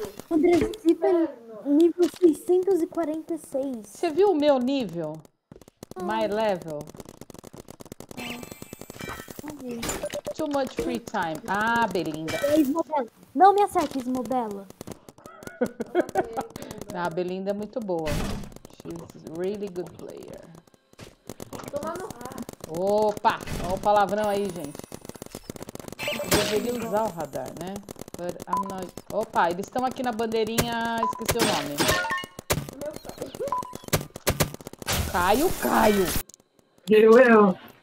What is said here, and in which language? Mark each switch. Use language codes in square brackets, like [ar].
[pt] Andrezito é nível 646. Você viu o meu nível? [en] My level? Too much free time. Ah, Belinda. [pt] Não me acerta, Ismobella. Ah, Belinda é muito boa. [en] She's really good player. [pt] Opa! Olha o palavrão aí, gente. Deveria usar o radar, né? [en] But I'm not... [pt] Opa, eles estão aqui na bandeirinha. Esqueci o nome. Caio! Eu.